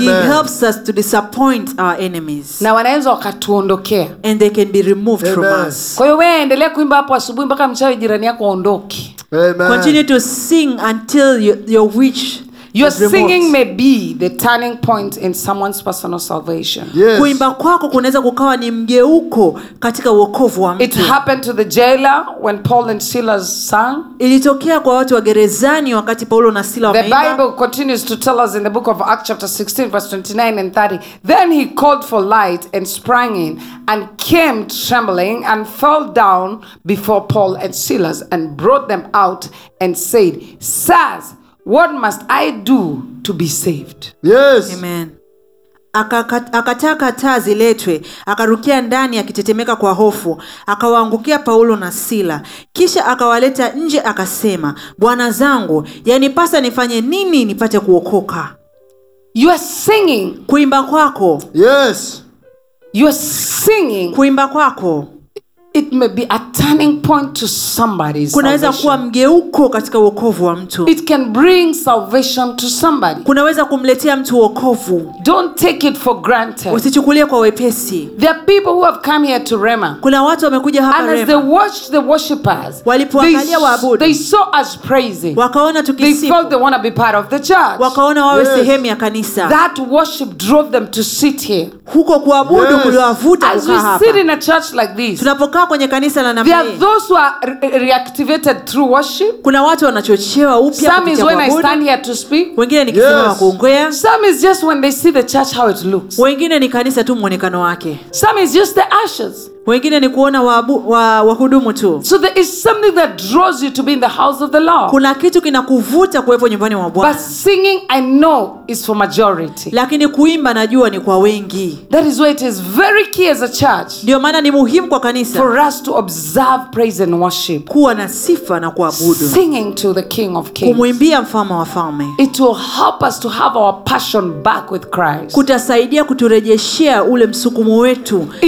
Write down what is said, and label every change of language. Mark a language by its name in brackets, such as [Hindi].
[English] He helps us to disappoint our enemies. [Swahili] Na wanaweza wakatuondokea. [English] And they can be removed from us. [Swahili] Kwa hiyo wewe endelea kuimba hapo asubuhi mpaka mchawi jirani yako aondoke. Amen. [English] Continue to sing until your witch. Your singing may be the turning point in someone's personal salvation. Yes. [Swahili] Kuimba kwako kunaweza kukawa ni mgeuko katika wokovu wa mtu. [English] It happened to the jailer when Paul and Silas sang. [Swahili] Ilitokea kwa watu wa gerezani wakati Paulo na Sila wameimba. [English] The Bible continues to tell us in the book of Acts chapter 16 verse 29 and 30. Then he called for light and sprang in and came trembling and fell down before Paul and Silas and brought them out and said, "Sirs, what must I do to be saved?" Yes. [Swahili] Amen. Akataka taa ziletwe, akarukia ndani akitetemeka kwa hofu, akawaangukia Paulo na Sila. Kisha akawaleta nje akasema, "Bwana zangu, yanipasa nifanye nini nipate kuokoka?" [English] You are singing. [Swahili] Kuimba kwako. [English] Yes. You are singing. [Swahili] Kuimba kwako. [English] It may be a turning point to somebody's salvation. [Swahili] Kunaweza kuwa mgeuko katika wokovu wa mtu. [English] It can bring salvation to somebody. [Swahili] Kunaweza kumletea mtu wokovu. [English] Don't take it for granted. [Swahili] Usichukulie kwa wepesi. [English] There are people who have come here to Rema. [Swahili] Kuna watu wamekuja hapa Rema. [English] And as they watched the worshippers, [Swahili] walipoangalia waabudu, [English] they saw us praising. [Swahili] Wakaona tukisifu. [English] They felt they want to be part of the church. [Swahili] Wakaona wawe sehemu ya kanisa. [English] That worship drove them to sit here. [Swahili] Huko kuabudu kuliwavuta kukaa hapa. [English] As we sit in a church like this. [Swahili] Kaa kwenye kanisa la namna [English] There are those who are reactivated through worship. [Swahili] Kuna watu wanachochewa upya kwa kuabudu. [English] Some is when I stand here to speak. [Swahili] Wengine ni kisema kuongea. [English] Some is just when they see the church how it looks. [Swahili] Wengine ni kanisa tu muonekano wake. [English] Some is just the ashes. [Swahili] Wengine ni kuona wahudumu tu. [English] So there is something that draws you to be in the house of the Lord. [Swahili] Kuna kitu kinakuvuta kuwepo nyumbani mwa Bwana. [English] But singing I know is for majority. [Swahili] Lakini kuimba najua ni kwa wengi. [English] That is why it is very key as a church. [Swahili] Ndio maana ni muhimu kwa kanisa. [English] For us to observe praise and worship. [Swahili] Kuwa na sifa na kuabudu. [English] Singing to the King of Kings. [Swahili] Kumwimbia mfalme wa falme. [English] It will help us to have our passion back with Christ. [Swahili] Kutasaidia kuturejeshia ule msukumo wetu kwa Yesu.